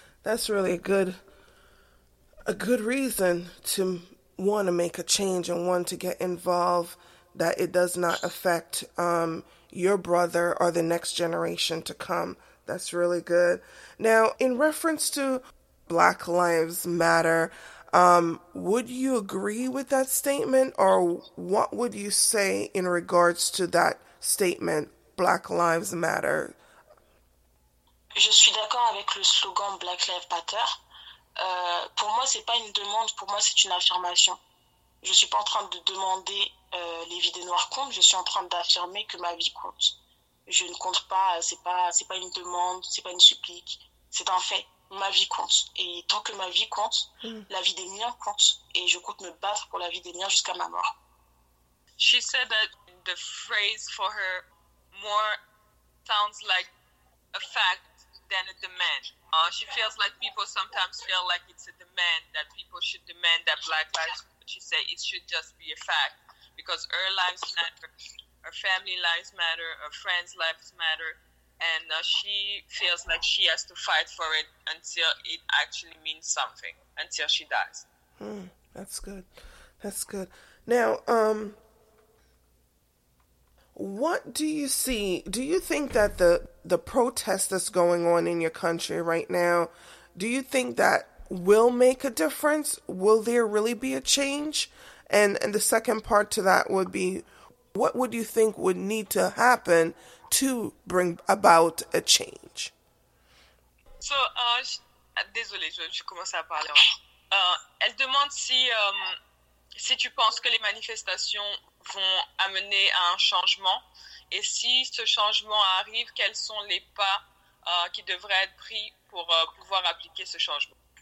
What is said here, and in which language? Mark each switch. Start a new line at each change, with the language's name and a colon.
English: That's really a good reason to want to make a change and want to get involved, that it does not affect your brother or the next generation to come. That's really good. Now, in reference to Black Lives Matter, would you agree with that statement, or what would you say in regards to that statement, Black Lives Matter?
French: Je suis d'accord avec le slogan Black Lives Matter. Pour moi, c'est pas une demande, pour moi, c'est une affirmation. Je suis pas en train de demander les vies des Noirs comptent, je suis en train d'affirmer que ma vie compte. Je ne compte pas, c'est pas une demande, c'est pas une supplique, c'est un fait. Ma vie compte. Et tant que ma vie compte, la vie des miens compte. Et je compte me battre pour la vie des miens jusqu'à ma mort.
English: She said that the phrase for her more sounds like a fact than a demand. She feels like people sometimes feel like it's a demand, that people should demand that black lives, but she said it should just be a fact. Because her lives matter, her family lives matter, her friends' lives matter, and she feels like she has to fight for it until it actually means something, until she dies. That's good. That's good. Now, what do you see? Do you think that the protest that's going on in your country right now, do you think that will make a difference? Will there really be a change? And the second part to that would be, what would you think would need to happen to bring about a change?
French: So, désolée, je commence à parler. Elle demande si tu penses que les manifestations vont amener à un changement, et si ce changement arrive, quels sont les pas qui devraient être pris pour pouvoir appliquer ce changement?